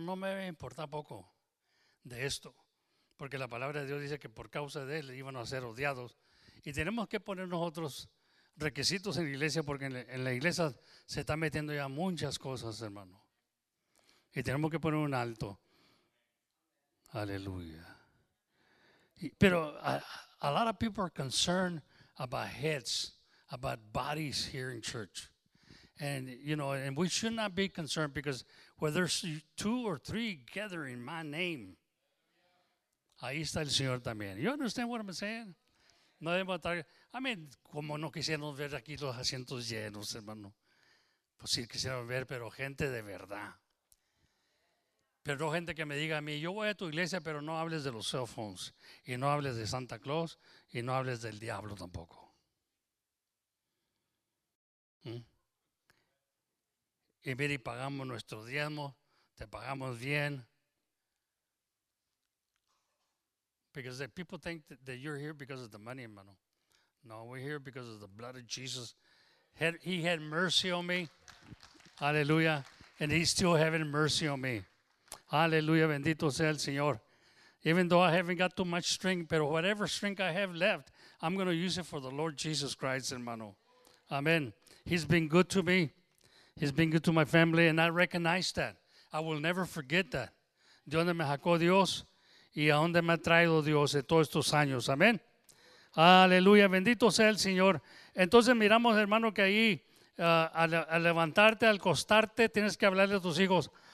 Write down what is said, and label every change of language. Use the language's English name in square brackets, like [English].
[Spanish] No me debe importar poco de esto. Porque la palabra de Dios dice que por causa de él iban a ser odiados. Y tenemos que poner nosotros requisitos en la iglesia, porque en la iglesia se está metiendo ya muchas cosas, hermano. Y tenemos que poner un alto. Aleluya. [English] Pero a lot of people are concerned about heads, about bodies here in church. And, you know, and we should not be concerned, because whether it's two or three gathered in my name, [Spanish] ahí está el Señor también. [English] You understand what I'm saying? [Spanish] No debemos estar. [English] I mean, [Spanish] como no quisiéramos ver aquí los asientos llenos, hermano. Pues sí quisiéramos ver, pero gente de verdad. Pero no gente que me diga a mí, yo voy a tu iglesia, pero no hables de los cell phones. Y no hables de Santa Claus. Y no hables del diablo tampoco. Y mire, y pagamos nuestro diezmo. Te pagamos bien. [English] Because the people think that you're here because of the money, hermano. No, we're here because of the blood of Jesus He had mercy on me. Hallelujah. And he's still having mercy on me. Hallelujah. [Spanish] Bendito sea el Señor. [English] Even though I haven't got too much strength, pero whatever strength I have left, I'm going to use it for the Lord Jesus Christ, hermano. Amen. He's been good to me. He's been good to my family, and I recognize that. I will never forget that. [Spanish] De donde me sacó Dios y a donde me ha traído Dios de todos estos años. Amén. Aleluya. Bendito sea el Señor. Entonces miramos, hermano, que ahí al levantarte, al acostarte, tienes que hablarle a tus hijos.